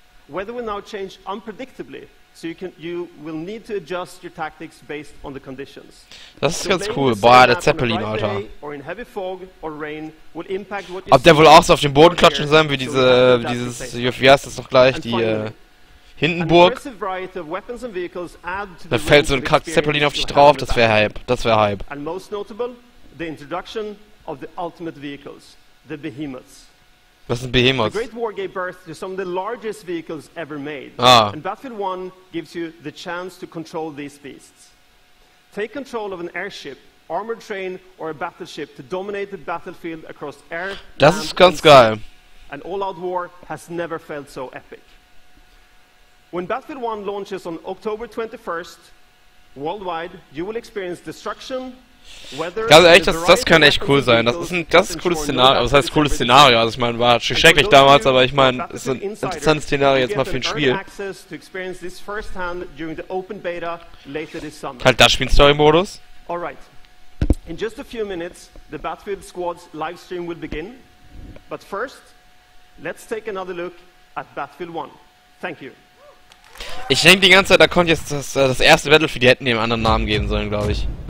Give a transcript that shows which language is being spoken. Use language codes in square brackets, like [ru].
[en] Weather will now change unpredictably, so you will need to adjust your tactics based on the conditions. [de] Das ist ganz cool. Boah, der Zeppelin, Alter. [en] Or in heavy fog or rain will impact what. [de] Ob der wohl auch so auf den Boden klatschen sein wie diese, dieses, wie heißt das noch gleich, die Hindenburg? Da fällt so ein Zeppelin auf dich drauf, das wäre Hype, das wäre Hype. [en] And most notable, the introduction of the ultimate vehicles, the behemoths. [de] Was sind Behemoths? [en] The Great War gave birth to some of the largest vehicles ever made. Ah. And Battlefield 1 gives you the chance to control these beasts. Take control of an airship, armored train or a battleship to dominate the battlefield across air. [de] Das ist ganz geil. [en] An all-out war has never felt so epic. When Battlefield 1 launches on October 21st worldwide, you will experience destruction. [de] Ganz ehrlich, das kann echt cool sein. Das ist ein cooles Szenario. Das heißt, cooles Szenario. Also ich meine, war schrecklich damals, aber ich meine, es ist ein interessantes Szenario jetzt mal für ein Spiel. Halt das Spiel Story-Modus. [en] Alright. In just a few minutes, the Battlefield Squad's livestream will begin. But first, let's take another look at Battlefield 1. Thank you. [de] Ich denke die ganze Zeit, da kommt jetzt das erste Battlefield, die hätten dem anderen Namen geben sollen, glaube ich.